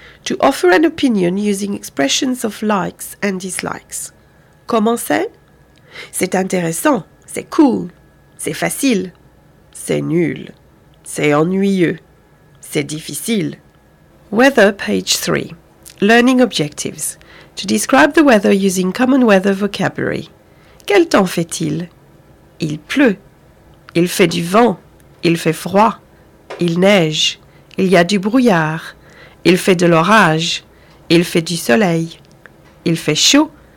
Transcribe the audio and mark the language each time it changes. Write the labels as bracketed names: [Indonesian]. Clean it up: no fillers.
[English] To offer an opinion using expressions of likes and dislikes. [French] Comment c'est? C'est intéressant, c'est cool, c'est facile, c'est nul, c'est ennuyeux, c'est difficile. [English] Weather, page 3. Learning objectives. To describe the weather using common weather vocabulary. [French] Quel temps fait-il? Il pleut. Il fait du vent. Il fait froid. Il neige. Il y a du brouillard. Il fait de l'orage. Il fait du soleil. Il fait chaud.